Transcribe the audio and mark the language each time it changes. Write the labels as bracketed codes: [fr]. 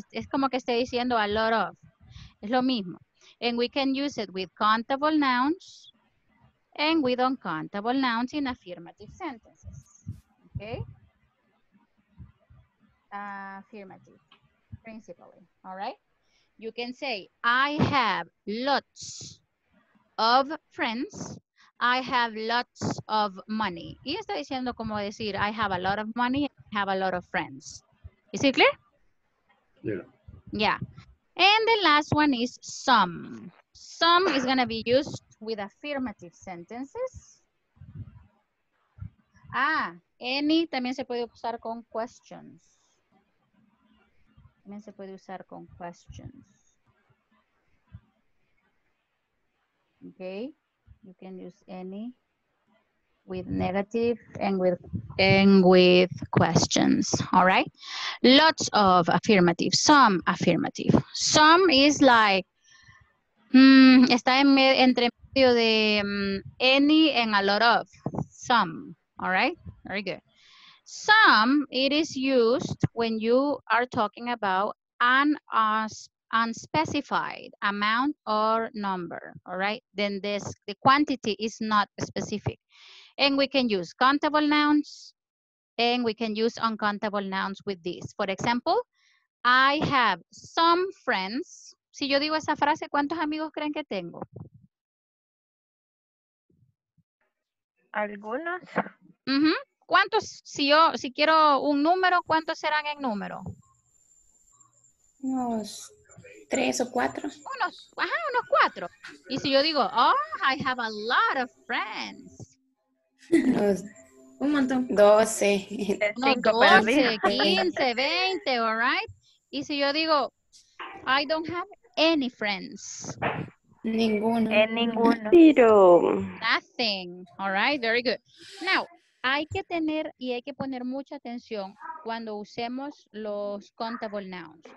[es] Es como que estoy diciendo [en] a lot of. [es] Es lo mismo. [en] And we can use it with countable nouns and with uncountable nouns in affirmative sentences. Okay? Affirmative, principally. All right? You can say, I have lots of friends. I have lots of money. [es] Y está diciendo como decir, [en] I have a lot of money, I have a lot of friends. Is it clear? Yeah. Yeah. And the last one is some. Some is going to be used with affirmative sentences. [es] Ah, any también se puede usar con [en] questions. [es] También se puede usar con questions. [en] Okay, you can use any with negative and with questions, all right? Lots of affirmative, some affirmative. Some is like, [es] está entre medio de [en] any and a lot of, some, all right? Very good. Some, it is used when you are talking about an unspecified amount or number, all right? Then this, the quantity is not specific. And we can use countable nouns, and we can use uncountable nouns with this. For example, I have some friends. [es] Si yo digo esa frase, ¿cuántos amigos creen que tengo? Algunos. Mm-hmm. ¿Cuántos? Si yo, si quiero un número, ¿cuántos serán en número? Unos tres o cuatro. Unos, ajá, unos cuatro. Y si yo digo, oh, [en] I have a lot of friends. [es] Un montón. 12. [en] No, 12, 15, 20, all right? [es] Y si yo digo, [en] I don't have any friends. [es] Ninguno. En ninguno. Pero. [en] Nothing. All right, very good. [es] Now, hay que tener y hay que poner mucha atención cuando usemos los countable nouns.